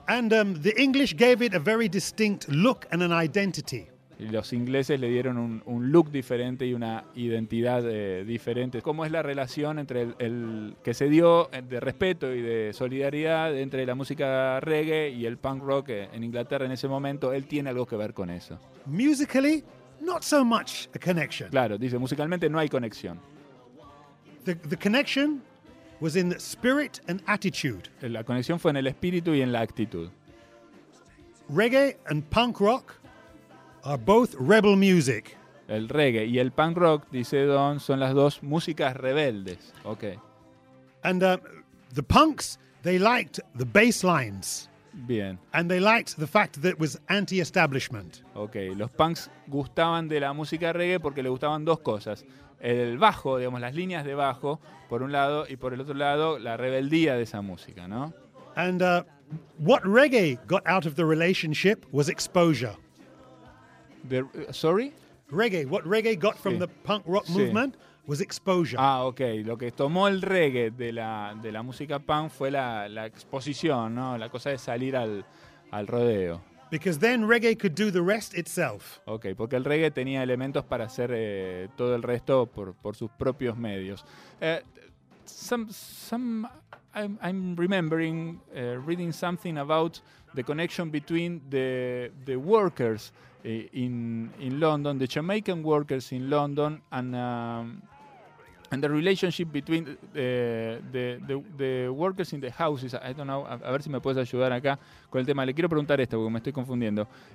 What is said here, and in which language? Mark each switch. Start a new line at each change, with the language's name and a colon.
English: And the English gave it a very distinct look and an identity.
Spanish: Y los ingleses le dieron un look diferente y una identidad diferente. ¿Cómo es la relación entre el que se dio de respeto y de solidaridad entre la música reggae y el punk rock en Inglaterra en ese momento? Él tiene algo que ver con eso.
English: Musically, not so much a connection.
Spanish: Claro, dice, musicalmente no hay conexión.
English: The connection was in the spirit and attitude.
Spanish: La conexión fue en el espíritu y en la actitud.
English: Reggae and punk rock are both rebel music.
Spanish: El reggae y el punk rock, dice Don, son las dos músicas rebeldes.
English: Okay. And the punks, they liked the bass lines.
Spanish: Bien.
English: And they liked the fact that it was anti-establishment.
Spanish: Okay, los punks gustaban de la música reggae porque le gustaban dos cosas. El bajo, digamos, las líneas de bajo, por un lado, y por el otro lado, la rebeldía de esa música, ¿no?
English: And what reggae got out of the relationship was exposure. Reggae. What reggae got from the punk rock movement was exposure. Ah, okay.
Spanish: Lo que tomó el reggae de la música punk fue la exposición, ¿no? La cosa de salir al rodeo.
English: Because then reggae could do the rest itself.
Spanish: Okay, porque el reggae tenía elementos para hacer todo el resto por sus propios medios.
English: I'm remembering reading something about the connection between the workers in London, the Jamaican workers in London, and the relationship between the workers in the houses. I don't know.
Spanish: A ver si me puedes ayudar acá con el tema. Le quiero preguntar esto porque me estoy confundiendo.